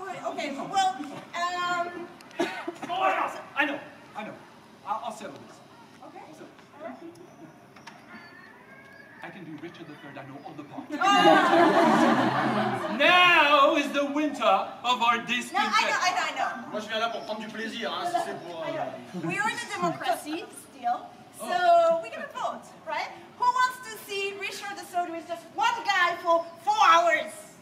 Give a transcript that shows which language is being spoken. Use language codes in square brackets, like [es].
[en] Okay, well, I know. I'll settle this. Okay. I can do Richard III, I know all the parts. Now is the winter of our discontent. No, I know. [fr] Moi, je viens là pour prendre du plaisir, hein, si c'est pour... [en] We are in a democracy, still. So, we're gonna vote, right? Who wants to see Richard III with just one guy for 4 hours?